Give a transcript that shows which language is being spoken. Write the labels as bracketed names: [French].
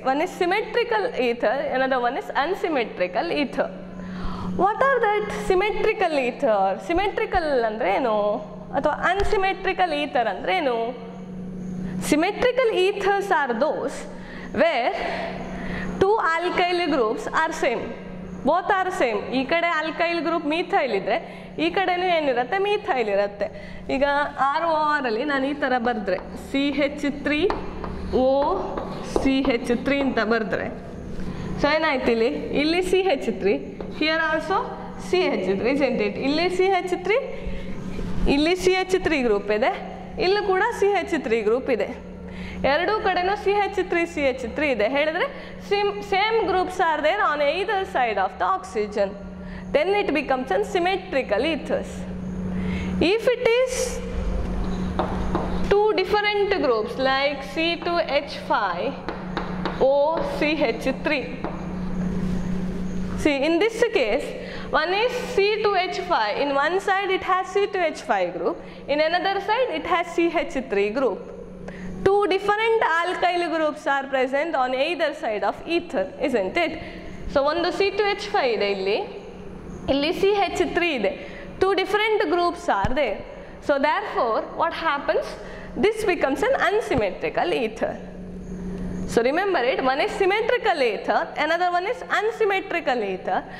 [English] One is symmetrical ether, another one is unsymmetrical ether. What are that symmetrical ether? Symmetrical [Kannada] andre eno athwa [English] unsymmetrical ether [Kannada] andre eno? [English] Symmetrical ethers are those where two alkyl groups are same. Both are same. [Kannada] ಈ ಕಡೆ alkyl group methyl ಇದ್ರೆ ಈ ಕಡೆನೂ ಏನಿರುತ್ತೆ methyl ಇರುತ್ತೆ. ಈಗ R O R ಅಲ್ಲಿ ನಾನು ಈ ಥರ ಬರೆದ್ರೆ C H three O C H three ಅಂತ ಬರೆದ್ರೆ ಸೊ ಏನಾಯ್ತು ಇಲ್ಲಿ ಇಲ್ಲಿ C H three [English] here also C H three isn't it [Kannada] ಇಲ್ಲಿ ಸಿ ಹೆಚ್ ತ್ರೀ ಇಲ್ಲಿ ಸಿ ಹೆಚ್ ತ್ರೀ ಗ್ರೂಪ್ ಇದೆ ಇಲ್ಲೂ ಕೂಡ ಸಿ ಹೆಚ್ ತ್ರೀ ಗ್ರೂಪ್ ಇದೆ ಎರಡೂ ಕಡೆನೂ C H three C H three ಇದೆ ಹೇಳಿದ್ರೆ [English] Same groups are there on either side of the oxygen then it becomes unsymmetrical ethers if it is two different groups like C two H five O C H three see in this case one is C two H five in one side it has C two H five group in another side it has C H three group Two different alkyl groups are present on either side of ether, isn't it? So one the C2H5 [Kannada] ide illi illi CH3 ide [English] two different groups are there. So therefore what happens, this becomes an unsymmetrical ether. So remember it, one is symmetrical ether, another one is unsymmetrical ether.